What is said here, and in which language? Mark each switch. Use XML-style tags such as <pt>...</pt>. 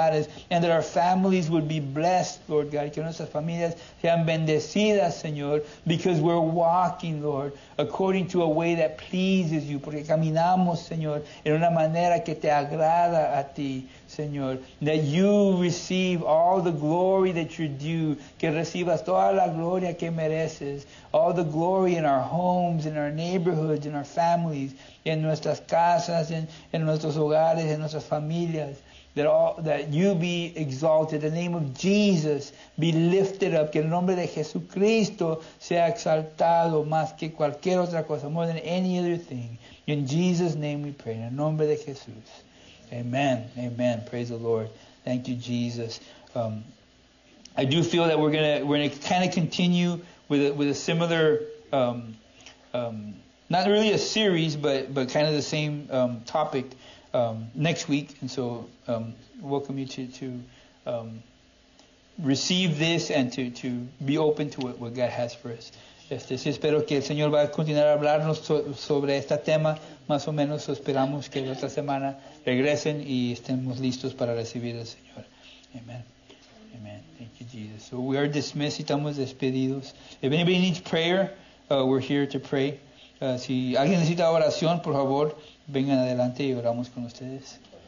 <en>God is, and that our families would be blessed, Lord God.</en> <es>Que nuestras familias sean bendecidas, Señor,</es> <en>because we're walking, Lord, according to a way that pleases you.</en> <es>Porque caminamos, Señor, en una manera que te agrada a ti, Señor.</es> <en>That you receive all the glory that you're due.</en> <es>Que recibas toda la gloria que mereces.</es> <en>All the glory in our homes, in our neighborhoods, in our families,</en> <es>en nuestras casas, en nuestros hogares, en nuestras familias.</es> <en>That you be exalted, the name of Jesus be lifted up,</en> <es>que el nombre de Jesucristo sea exaltado más que cualquier otra cosa,</es> <en>more than any other thing. In Jesus' name we pray, in the</en> <es>nombre de Jesús.</es> <en>Amen, amen, praise the Lord. Thank you, Jesus. I do feel that we're gonna kind of continue with a similar, not really a series, but kind of the same topic. Next week, and so welcome you to receive this and to be open to what God has for us.</en> <es>Sí, espero que el Señor va a continuar a hablarnos sobre este tema, más o menos. Esperamos que la otra semana regresen y estemos listos para recibir al Señor.</es> <en>Amen. Amen. Thank you, Jesus. So we are dismissed.</en> <es>Estamos despedidos.</es> <en>If anybody needs prayer, we're here to pray.</en> <es>Si alguien necesita oración, por favor, vengan adelante y oramos con ustedes.</es>